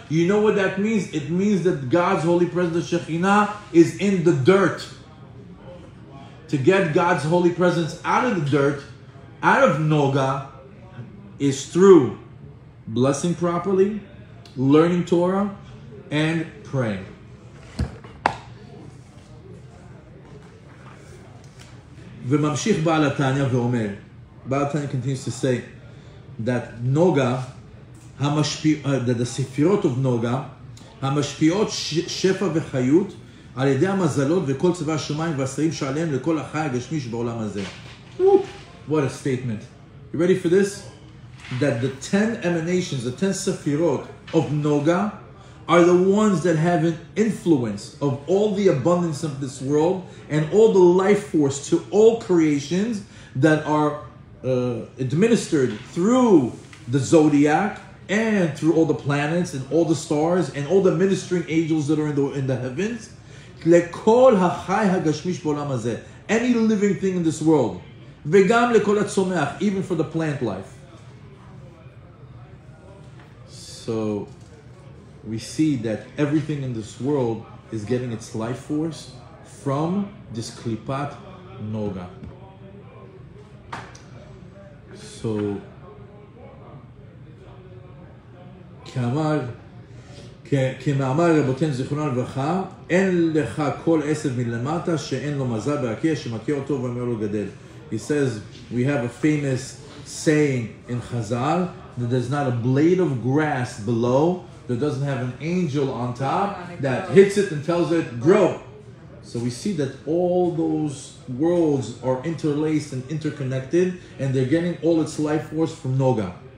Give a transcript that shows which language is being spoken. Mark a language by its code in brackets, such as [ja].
[en] You know what that means? It means that God's holy presence, the Shekhinah, is in the dirt. To get God's holy presence out of the dirt, out of Noga, is through blessing properly, learning Torah, and praying. [he] וממשיך בעל התניה ואומר, בעל התניה [en] continues to say that Noga, that the [he] ספירות of Noga, המשפיעות שפע וחיות על ידי המזלות וכל צבא השמיים והשרים שעליהם לכל החי הגשמי שבעולם הזה. [en] What a statement. You ready for this? That the 10 emanations, the 10 ספירות of Noga are the ones that have an influence of all the abundance of this world and all the life force to all creations that are administered through the zodiac and through all the planets and all the stars and all the ministering angels that are in the heavens. [he] Lekol ha-chai ha-gashmish b'olam hazeh, [en] any living thing in this world. [he] Ve'gam lekol ha-tzomeach, [en] even for the plant life. So we see that everything in this world is getting its life force from this Klipat Noga. [he] So, כאמר, כמאמר רבותינו זיכרונם לברכה, אין לך כל עשב מלמטה שאין לו מזל בעקיע שמכה אותו ואומר לו גדל. [en] He says, we have a famous saying in Chazal that there's not a blade of grass below that doesn't have an angel on top that hits it and tells it, grow. So we see that all those worlds are interlaced and interconnected, and they're getting all its life force from Noga.